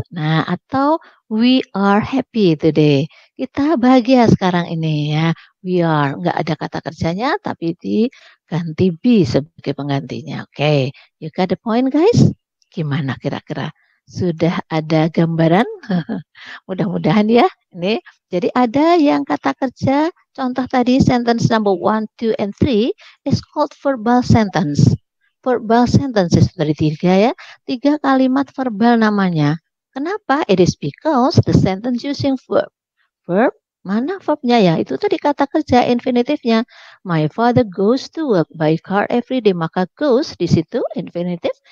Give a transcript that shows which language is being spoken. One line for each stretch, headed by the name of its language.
Indonesian: Nah atau
English: we are happy today.
Indonesian: Kita bahagia sekarang ini ya.
English: We are.
Indonesian: Enggak ada kata kerjanya tapi diganti be sebagai penggantinya.
English: Oke. Okay. You got the point guys?
Indonesian: Gimana kira-kira? Sudah ada gambaran? Mudah-mudahan ya. Ini. Jadi ada yang kata kerja. Contoh tadi
English: sentence number 1, 2, and 3 is called verbal sentence. Verbal sentences
Indonesian: dari tiga ya. Tiga kalimat verbal namanya. Kenapa?
English: It is because the sentence using verb.
Indonesian: Verb, mana verbnya ya? Itu tadi kata kerja infinitifnya.
English: My father goes to work by car every day.
Indonesian: Maka goes di situ, infinitif.